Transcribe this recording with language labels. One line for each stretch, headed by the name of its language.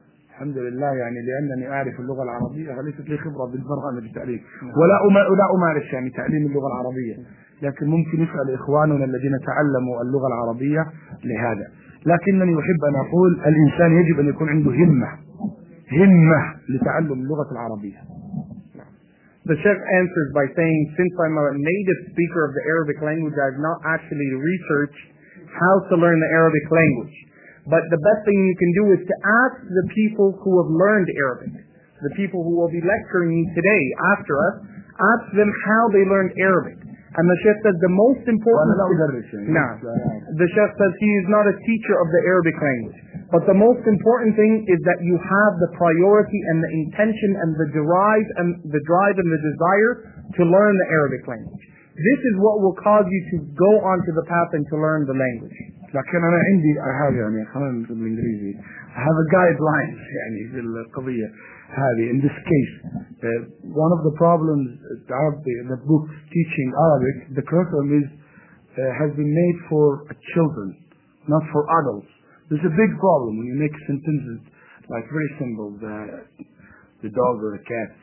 Arabic: الحمد لله يعني لأنني أعرف اللغة العربية فليست لي خبرة بالبرامج التعليم ولا أمارس يعني تعليم اللغة العربية، لكن ممكن يسأل إخواننا الذين تعلموا اللغة العربية لهذا. لكنني أحب أن أقول الإنسان يجب أن يكون عنده همة لتعلم اللغة العربية.
English: The chef answers by saying, since I'm a native speaker of the Arabic language, I've not actually researched how to learn the Arabic language. But the best thing you can do is to ask the people who have learned Arabic, the people who will be lecturing you today after us, ask them how they learned Arabic. And the chef says the most important... The chef says he is not a teacher of the Arabic language. But the most important thing is that you have the priority and the intention and the drive and the desire to learn the Arabic language. This is what will cause you to go onto the path and to learn the language.
Arabic: لكن أنا عندي هذه يعني خلينا نقول بالإنجليزي
English: have a guideline
Arabic: يعني في القضية هذه.
English: In this case, one of the problems of the books teaching Arabic, the curriculum has been made for children, not for adults. There's a big problem when you make sentences like very simple, the dog or the cat.